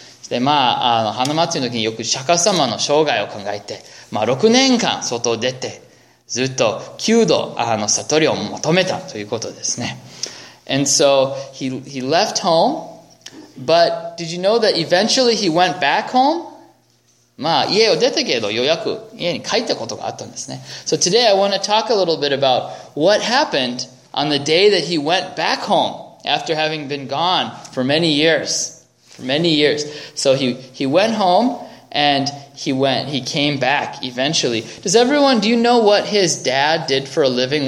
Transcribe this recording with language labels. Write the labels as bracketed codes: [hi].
[ja] で、Hanamatsuri の時によく釈迦様の生涯を考えて、6年間外を出て、ずっと9度悟りを求めたということですね。 [en] And so he left home, but did you know that eventually he went back home? [ja] 家を出たけど、ようやく家に帰ったことがあったんですね。 [en] So today I want to talk a little bit about what happened on the day that he went back home after having been gone for many years. So he went home and he came back eventually. Do you know what his dad did for a living?